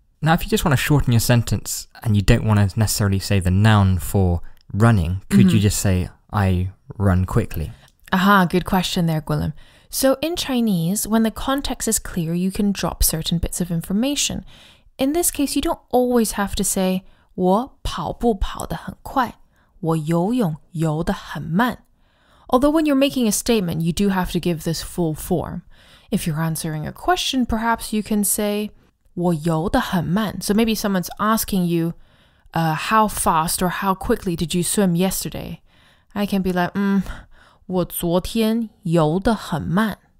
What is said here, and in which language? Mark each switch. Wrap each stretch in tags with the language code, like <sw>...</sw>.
<en>Now, if you just want to shorten your sentence and you don't want to necessarily say the noun for running, could you just say, I run quickly? Aha, good question there, Guillem. So in Chinese, when the context is clear, you can drop certain bits of information. In this case, you don't always have to say</en> <zh>我跑跑步跑得很快，我游泳游得很慢。</zh> <en>Although when you're making a statement, you do have to give this full form. If you're answering a question, perhaps you can say,</en> <zh>我游得很慢。</zh> <en>So maybe someone's asking you, how fast or how quickly did you swim yesterday? I can be like,</en> <zh>我昨天游得很慢。</zh>